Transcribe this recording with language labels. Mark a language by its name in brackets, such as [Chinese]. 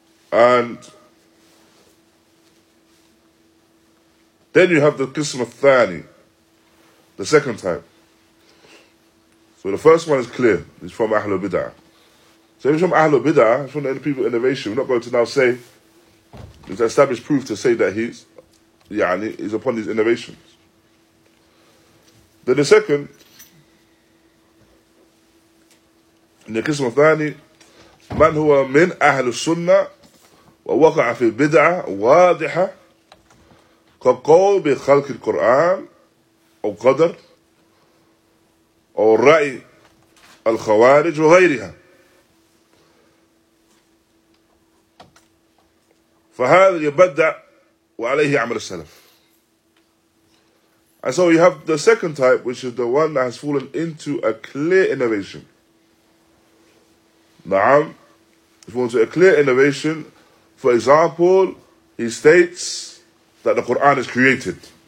[English] And then you have the Qism al-Thani, the second type. So the first one is clear, it's from Ahlul Bid'ah. So if it's from Ahlul Bid'ah, it's from the people of innovation, we're not going to now say, it's established proof to say that he's, yani, he's upon these innovations. Then the second, in the Qism al-Thani, [Arabic] man huwa min Ahlul Sunnah, ووقع في بدعة واضحة كقول بخلق القرآن أو قدر أو رأي الخوارج وغيرها فهذا يبدع وعليه عمل السلف. [English] And so you have the second type, which is the one that has fallen into a clear innovation. نعم, if you want to a clear innovation. For example, he states that the Qur'an is created.